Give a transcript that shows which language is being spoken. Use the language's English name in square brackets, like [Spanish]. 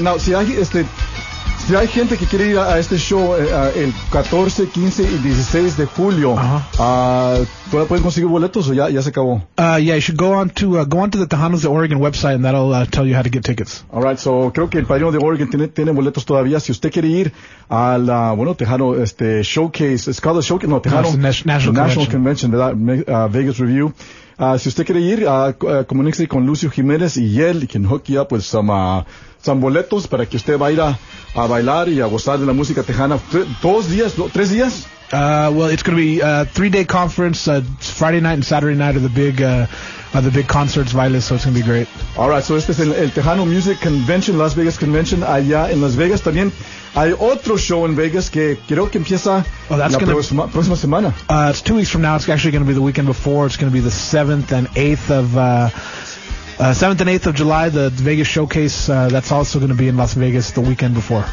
[Spanish] Now, si hay gente que quiere ir a este show el 14, 15 y 16 de julio, ¿todavía pueden conseguir boletos o ya se acabó? [English] Yeah, you should go on to the Tejanos de Oregon website, and that'll tell you how to get tickets. All right, so [Spanish] creo que el Padrino de Oregon tiene boletos todavía. Si usted quiere ir a la, bueno, Tejano, Showcase, [English] it's called the Showcase, [Spanish] no, Tejano, [English] National Convention, [Spanish] Vegas Review. Si usted quiere ir, comuníquese con Lucio Jiménez y él, y [English] can hook you up with some [Spanish] boletos para que usted vaya a bailar y a gozar de la música tejana. ¿Tres días? [English] Well, it's going to be a 3-day conference. Friday night and Saturday night are the big concerts, Vilas, so it's going to be great. All right, so [Spanish] este es el Tejano Music Convention, Las Vegas Convention, allá en Las Vegas. También hay otro show en Vegas que creo que empieza próxima semana. [English] It's 2 weeks from now. It's actually going to be the weekend before. It's going to be the 7th and 8th of... 7th and 8th of July, the Vegas Showcase, that's also going to be in Las Vegas the weekend before.